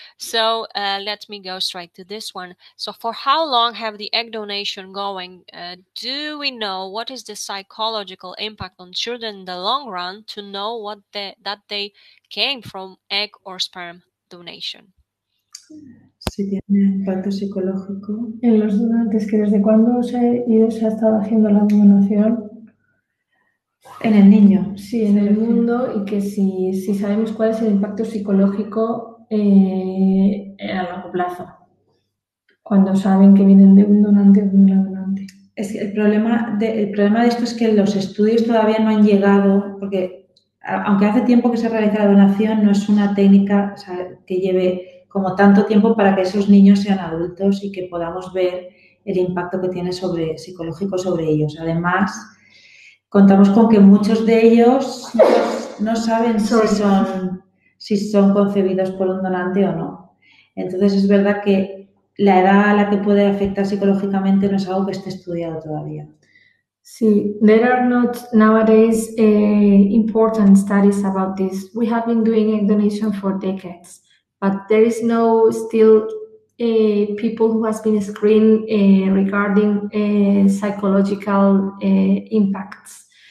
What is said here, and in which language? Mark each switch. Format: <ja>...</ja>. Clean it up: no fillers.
<en>So let me go straight to this one. So for how long have the egg donation going? Do we know what is the psychological impact on children in the long run to know what that they came from egg or sperm donation?</en> <es>Si tiene impacto psicológico. En los donantes, que desde cuándo se ha estado haciendo la donación. En el niño. Sí, en el mundo, y que si sabemos cuál es el impacto psicológico a largo plazo, cuando saben que vienen de un donante o de una donante. Es que el problema de esto es que los estudios todavía no han llegado, porque aunque hace tiempo que se realiza la donación, no es una técnica, o sea, que lleve como tanto tiempo para que esos niños sean adultos y que podamos ver el impacto que tiene psicológico sobre ellos. Además, contamos con que muchos de ellos no saben si son concebidos por un donante o no. Entonces, es verdad que la edad a la que puede afectar psicológicamente no es algo que esté estudiado todavía.</es> <en>See, there are not nowadays important studies about this. We have been doing egg donation for decades, but there is no still people who has been screened regarding psychological impacts.</en>